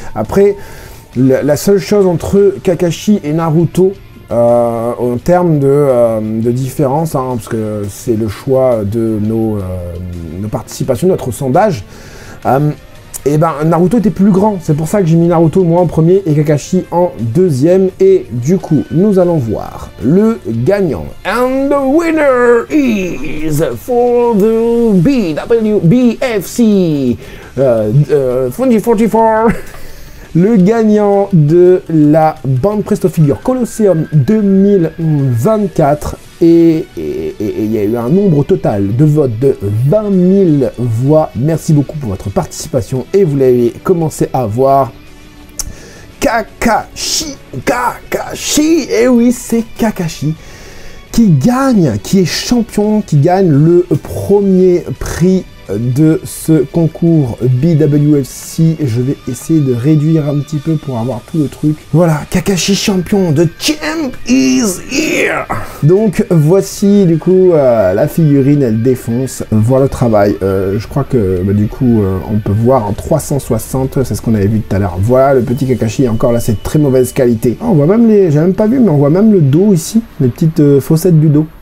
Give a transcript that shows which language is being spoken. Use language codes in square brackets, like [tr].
[fr] Après, la seule chose entre Kakashi et Naruto, en termes de différence, hein, parce que c'est le choix de nos participations, notre sondage, et ben Naruto était plus grand, c'est pour ça que j'ai mis Naruto moi en premier et Kakashi en deuxième. Et du coup nous allons voir le gagnant. [en] And the winner is for the BFC 2044. [fr] Le gagnant de la Band Presto Figure Colosseum 2024 Et il y a eu un nombre total de votes de 20 000 voix. Merci beaucoup pour votre participation. Et vous l'avez commencé à voir. Kakashi, Kakashi, et oui, c'est Kakashi qui gagne, qui est champion, qui gagne le premier prix de ce concours BWFC. Je vais essayer de réduire un petit peu pour avoir tout le truc. Voilà, Kakashi champion, [en] the champ is here. [fr] Donc voici du coup la figurine, elle défonce. Voilà le travail. Je crois que bah, du coup on peut voir en 360, c'est ce qu'on avait vu tout à l'heure. Voilà le petit Kakashi, encore là c'est de très mauvaise qualité. Oh, on voit même les, j'ai même pas vu, mais on voit même le dos ici, les petites fossettes du dos.